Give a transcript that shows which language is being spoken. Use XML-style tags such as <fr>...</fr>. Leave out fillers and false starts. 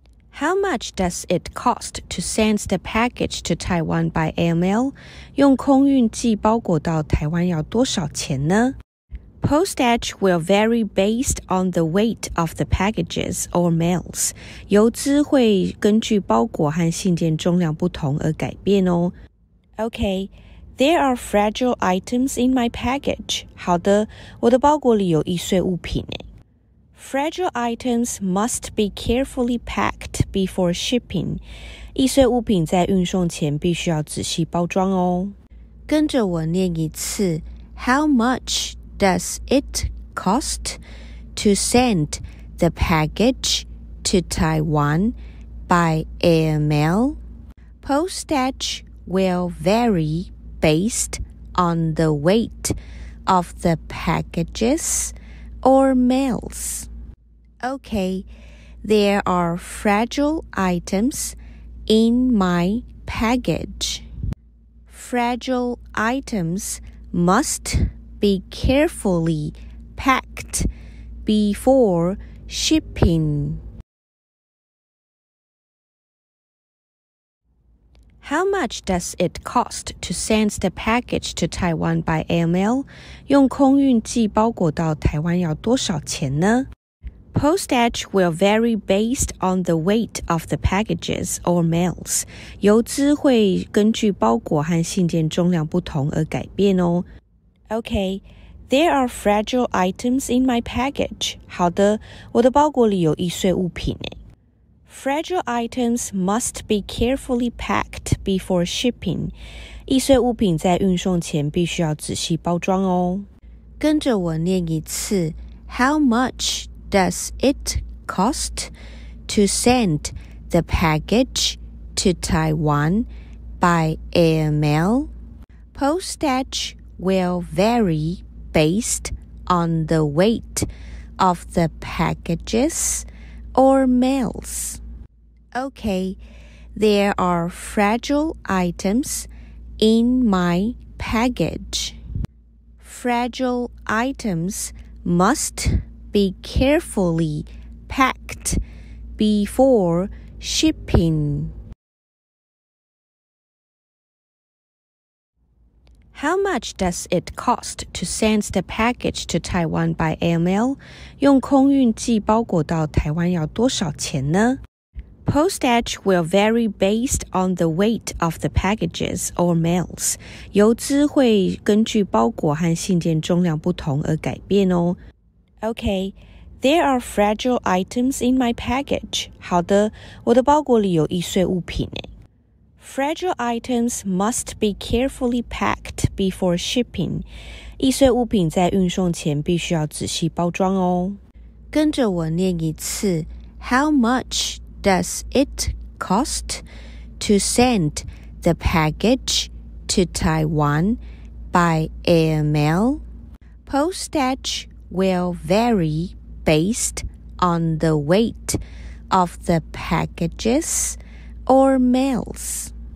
<en>How much does it cost to send the package to Taiwan by airmail?</en> <zh>用空运寄包裹到台湾要多少钱呢？</zh> <en>Postage will vary based on the weight of the packages or mails.</en> <zh>邮资会根据包裹和信件重量不同而改变哦。</zh> <en>Okay, there are fragile items in my package.</en> <zh>好的，我的包裹里有易碎物品耶。</zh> <en>Fragile items must be carefully packed before shipping.</en> <zh>易碎物品在运送前必须要仔细包装哦。跟着我念一次。</zh> <en>How much... Does it cost to send the package to Taiwan by airmail? Postage will vary based on the weight of the packages or mails. Okay, there are fragile items in my package. Fragile items must... be carefully packed before shipping. How much does it cost to send the package to Taiwan by airmail?</en> <zh>用空运寄包裹到台湾要多少钱呢？</zh> <en>Postage will vary based on the weight of the packages or mails.</en> <zh>邮资会根据包裹和信件重量不同而改变哦。</zh> <en>Okay, there are fragile items in my package.</en> <zh>好的，我的包裹里有易碎物品耶。</zh> <en>Fragile items must be carefully packed before shipping.</en> <zh>易碎物品在运送前必须要仔细包装哦。跟着我念一次。</zh> <en>How much does it cost to send the package to Taiwan by airmail? Postage... will vary based on the weight of the packages or mails. Okay, there are fragile items in my package. Fragile items must be carefully packed before shipping. How much does it cost to send the package to Taiwan by airmail?</en> <zh>用空运寄包裹到台湾要多少钱呢？</zh> <en>Postage will vary based on the weight of the packages or mails.</en> <zh>邮资会根据包裹和信件重量不同而改变哦。</zh> <en>Okay, there are fragile items in my package.</en> <zh>好的，我的包裹里有易碎物品耶。</zh> <en>Fragile items must be carefully packed before shipping.</en> <zh>易碎物品在运送前必须要仔细包装哦。跟着我念一次。</zh> <en>How much does it cost to send the package to Taiwan by airmail? Postage will vary based on the weight of the packages or mails.</en>